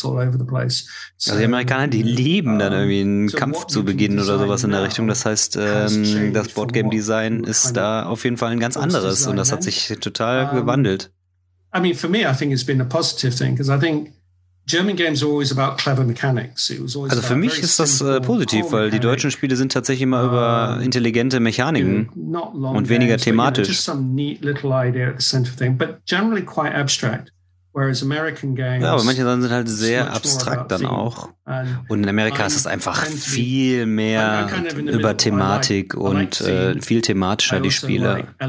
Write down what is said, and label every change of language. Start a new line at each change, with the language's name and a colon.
German: Also die Amerikaner, die lieben dann irgendwie einen Kampf zu beginnen oder sowas in der Richtung, das heißt, das Boardgame-Design ist da auf jeden Fall ein ganz anderes und das hat sich total gewandelt.
English: I mean, for me, I think it's been a positive thing because I think German games are always about clever mechanics. It was always
German: also für mich ist das positiv, weil die deutschen Spiele sind tatsächlich immer über intelligente Mechaniken und weniger
English: games,
German: thematisch.
English: But, you know, just some neat little idea at the center thing, but generally quite abstract. Whereas American games,
German: ja, aber manche Sachen sind halt sehr abstrakt dann auch. Und in Amerika ist es einfach viel mehr über Thematik und viel thematischer, die Spiele.